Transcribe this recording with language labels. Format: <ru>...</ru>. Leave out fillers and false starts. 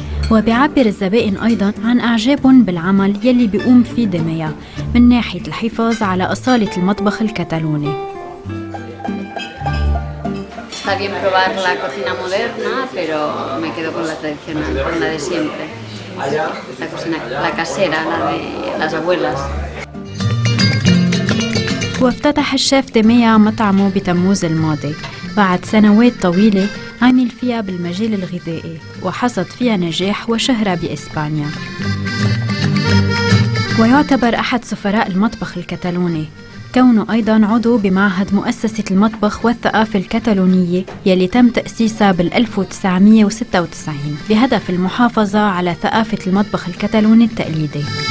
<ar>وبيعبر الزبائن أيضا عن أعجابهم بالعمل يلي بيقوم فيه دميا من ناحية الحفاظ على أصالة المطبخ الكتالوني.</ar> <es>Está bien probar la cocina moderna, pero me quedo con la tradicional, con la de siempre. La cocina, la casera, la de las abuelas.</es> <ar>وافتتح الشيف دميا مطعمه بتموز الماضي بعد سنوات طويلة عمل فيها بالمجال الغذائي وحصد فيها نجاح وشهرة بإسبانيا. ويعتبر أحد سفراء المطبخ الكتالوني كونه أيضاً عضو بمعهد مؤسسة المطبخ والثقافة الكتالونية يلي تم تأسيسها بال 1996 بهدف المحافظة على ثقافة المطبخ الكتالوني التقليدي.</ar>